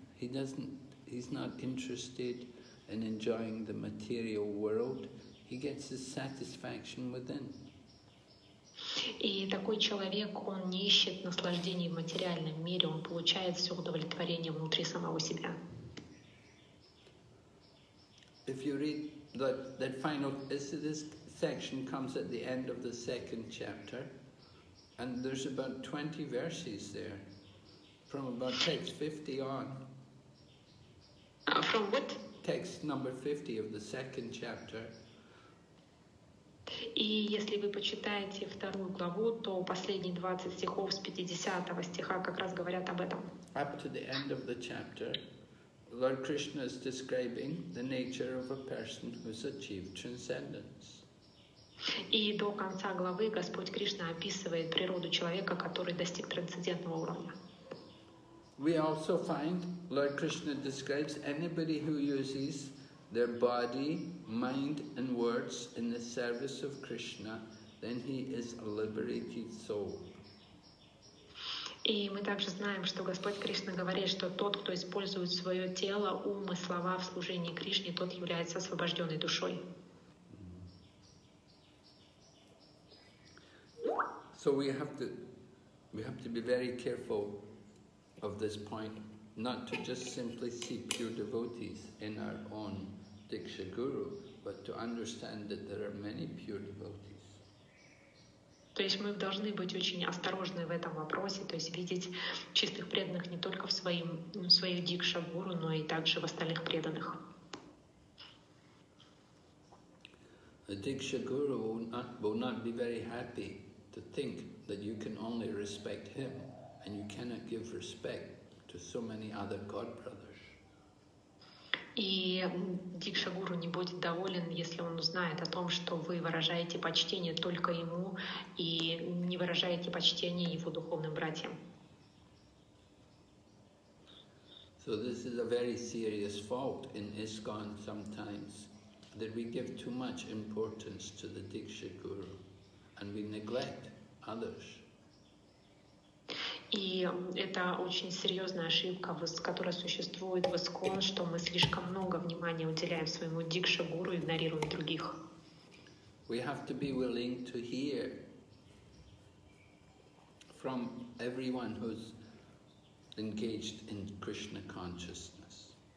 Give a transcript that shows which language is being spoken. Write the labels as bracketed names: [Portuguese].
[English] He's not interested in enjoying the material world. He gets his satisfaction within. [Russian] И такой человек, он не ищет наслаждений в материальном мире, он получает все удовлетворение внутри самого себя. [English] If you read that final, this section comes at the end of the second chapter. And there's about 20 verses there, from about text 50 on. From what? Text number 50 of the second chapter. [Russian] И если вы почитаете вторую главу, то последние 20 стихов с 50 стиха как раз говорят об этом. [English] Up to the end of the chapter, Lord Krishna is describing the nature of a person who has achieved transcendence. [Russian] И до конца главы Господь Кришна описывает природу человека, который достиг трансцендентного уровня. [English] We also find Lord Krishna describes anybody who uses their body, mind and words in the service of Krishna, then he is a liberated soul. [Russian] И мы также знаем, что Господь Кришна говорит, что тот, кто использует свое тело, ум и слова в служении Кришне, тот является освобожденной душой. [English] So we have to be very careful of this point, not to just simply see pure devotees in our own Diksha Guru, but to understand that there are many pure devotees. [Russian] То есть мы должны быть очень осторожны в этом вопросе, то есть видеть чистых преданных не только в своих Дикша Гуру, но и также в остальных преданных. [English] The Diksha Guru will not be very happy to think that you can only respect him and you cannot give respect to so many other god brothers. [Russian] И Дикша Гуру не будет доволен, если он узнает о том, что вы выражаете почтение только ему и не выражаете почтение его духовным братьям. [English] So this is a very serious fault in ISKCON sometimes, that we give too much importance to the Diksha Guru and we neglect others. [Russian] И это очень серьезная ошибка, которая существует в ИСККОН, что мы слишком много внимания уделяем своему Дикша Гуру, игнорируем других. [English] We have to be willing to hear from everyone who's engaged in Krishna consciousness.